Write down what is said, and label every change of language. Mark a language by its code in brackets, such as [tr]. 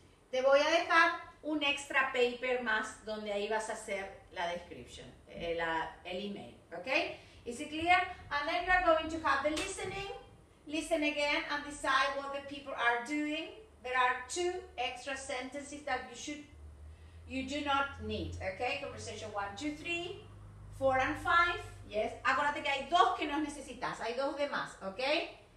[es] Te voy a dejar un [en] extra paper [es] más donde ahí vas a hacer la description, el email, okay? [en] Is it clear? And then you are going to have the listening. Listen again and decide what the people are doing. There are two extra sentences that you do not need, okay? Conversation 1, 2, 3, 4, and 5, yes? [es] Acuérdate que hay dos que no necesitas, hay dos de más, okay?